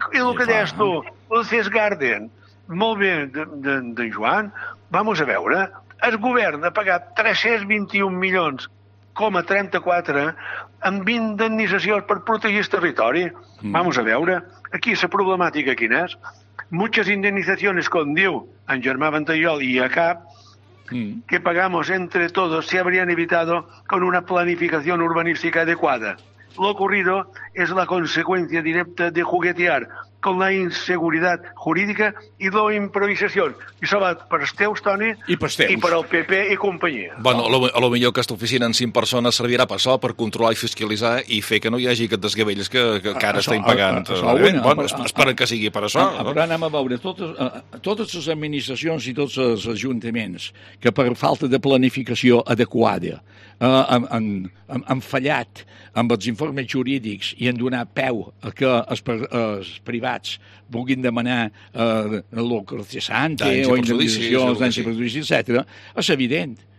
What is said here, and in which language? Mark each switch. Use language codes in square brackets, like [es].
[ca] I el que deies tu, el Gest Garden, molt bé, de Joan, [es] vamos a [ca] veure, el govern ha pagat 321.000.034 amb 20 indemnitzacions per protegir el territori. [es] Vamos a [ca] veure, aquí la problemàtica quina és. [es] Muchas indemnizaciones, [ca] com diu en Germà Ventallol i a cap, [es] que pagamos entre todos se habrían evitado con una planificación urbanística adecuada. Lo ocurrido es la consecuencia directa de juguetear con la inseguridad jurídica y la improvisación. [ca] I això va per els teus, Toni, I per el PP i companyia. Bueno, [es] a lo [ca] millor aquesta oficina en 5 persones servirà per això, per controlar i fiscalitzar i fer que no hi hagi aquest desgavells que ara està impagant. Esperen que sigui per això. Però anem a veure, totes les administracions i tots els ajuntaments que per falta de planificació adequada han fallat amb els informes jurídics i han donat peu a que els privats vulguin demanar l'ocre cessante o indemnitzacions, danys i perjudicis, etc. És evident.